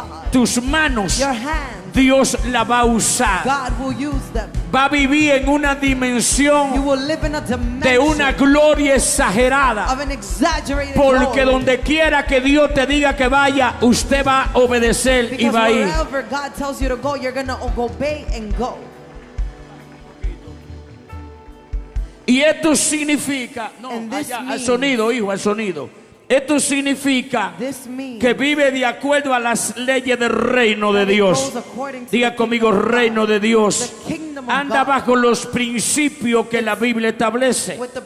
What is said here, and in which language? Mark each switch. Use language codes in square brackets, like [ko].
[es] Tus manos, Dios la va a usar. [en] God will use them. [es] Va a vivir en una dimensión de una gloria exagerada. [en] Of an exaggerated [es] porque donde quiera que Dios te diga que vaya, usted va a obedecer. [en] Because [es] y va a ir. [en] Wherever God tells you to go, you're gonna obey and go. [es] Y esto significa, al sonido, hijo, al sonido. Esto significa que vive de acuerdo a las leyes del reino de Dios. Diga conmigo, reino de Dios. Anda bajo los principios que la Biblia establece.